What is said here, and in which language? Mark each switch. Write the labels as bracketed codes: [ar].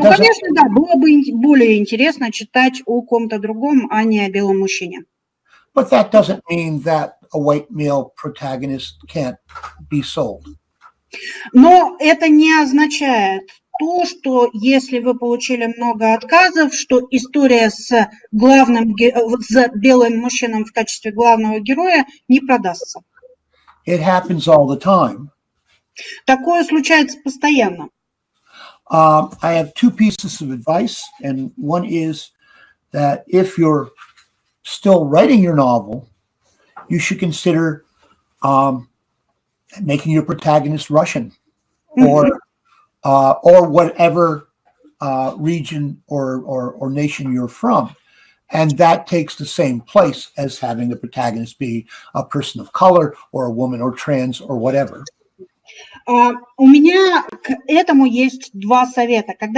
[ru] Ну, конечно, да, было бы более интересно читать о ком-то другом, а не о белом мужчине. [en] But that doesn't mean that a white male protagonist can't be sold. [ru] Но это не означает то, что если вы получили много отказов, что история с белым мужчиной в качестве главного героя не продастся. [en] It happens all the time. [ru] Такое случается постоянно. [en] I have 2 pieces of advice, and one is that if you're still writing your novel, you should consider making your protagonist Russian or or whatever region or nation you're from, and that takes the same place as having the protagonist be a person of color or a woman or trans or whatever. [ru] У меня к этому есть 2 совета.